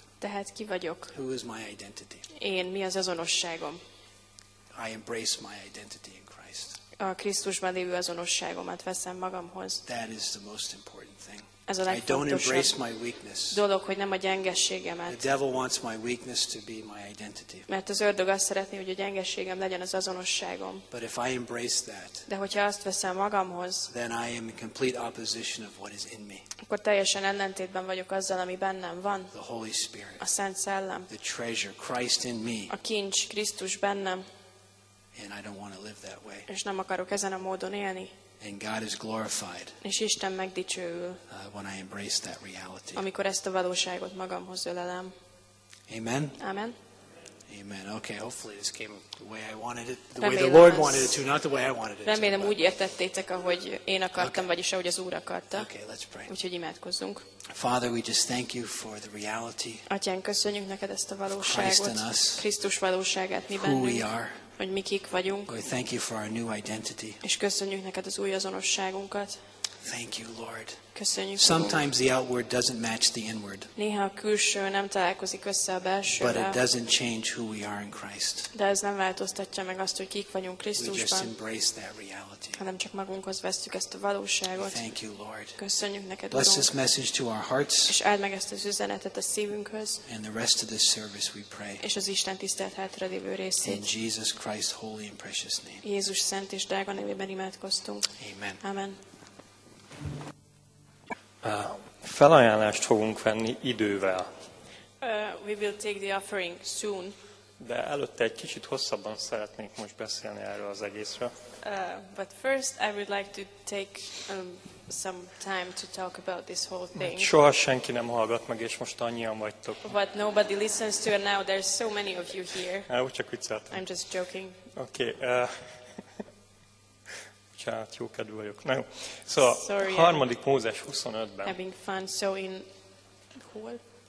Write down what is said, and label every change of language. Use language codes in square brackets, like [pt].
[hu] Tehát ki vagyok? [en] Who is my identity? [hu] Én, mi az azonosságom? [en] I embrace my identity in Christ. [hu] A Krisztusban lévő azonosságomat veszem magamhoz. [en] That is the most important thing. [hu] Ez a legfontosabb. [en] I don't embrace my weakness. [hu] Dolog, hogy nem a gyengeségemet. [en] The devil wants my weakness to be my identity. [hu] Mert az ördög azt szeretné, hogy a gyengeségem legyen az azonosságom. [en] But if I embrace that, [hu] de hogyha azt veszem magamhoz, [en] then I am in complete opposition of what is in me. [hu] Akkor teljesen ellentétben vagyok azzal, ami bennem van. [en] The Holy Spirit. [hu] A Szent Szellem. [en] The treasure, Christ in me. [hu] A kincs, Krisztus bennem. [en] And I don't want to live that way. [hu] És nem akarok ezen a módon élni. [en] And God is glorified. [hu] És Isten megdicsőül. [en] When I embrace that reality. [hu] Amikor ezt a valóságot magamhoz ölelem. Amen. Amen. Amen. [en] Okay, hopefully this came the way I wanted it, the way the Lord wanted it to, not the way I wanted it. [hu] Remélem úgy értettétek, ahogy én akartam, vagyis ahogy az Úr akarta. [en] Okay, let's pray. [hu] Úgyhogy imádkozzunk. [en] Father, we just thank you for the reality. [hu] Atyán, köszönjük neked ezt a valóságot. [en] Christ in us. [hu] Krisztus valóságát mi bennünk. [en] Who we are. [hu] Hogy mi kik vagyunk. [en] Lord, thank you for our new identity. [hu] És köszönjük neked az új azonosságunkat. [en] Thank you, Lord. [hu] Köszönjük. [en] Sometimes the outward doesn't match the inward. [hu] Néha a külső nem találkozik össze a belsővel. [en] But it doesn't change who we are in Christ. [hu] De ez nem változtatja meg azt, hogy kik vagyunk Krisztusban. [en] We just embrace that reality. [hu] Hanem csak magunkhoz vesszük ezt a valóságot. [en] Thank you, Lord. [hu] Köszönjük neked. [en] Bless this message to our hearts. [hu] És áld meg ezt az üzenetet a szívünkhöz. [en] And the rest of this service we pray. [hu] És az Isten tisztelt hátralévő részét. [en] In Jesus Christ's holy and precious name. [hu] Jézus szent és drága nevében imádkoztunk. Amen. Amen. Felajánlást fogunk venni idővel. [en] We will take the offering soon. [hu] De előtte egy kicsit hosszabban szeretnénk most beszélni erről az egészről. [en] But first I would like to take some time to talk about this whole thing. [hu] Soha senki nem hallgat meg, és most annyian vagytok. [en] But nobody listens to it now. There's so many of you here. [hu] Csak vicceltem. [en] I'm just joking. Okay. [hu] Hát, jó kedv vagyok. Na jó. Szóval harmadik Mózes 25-ben. [en] Having fun, so in [hu] hol?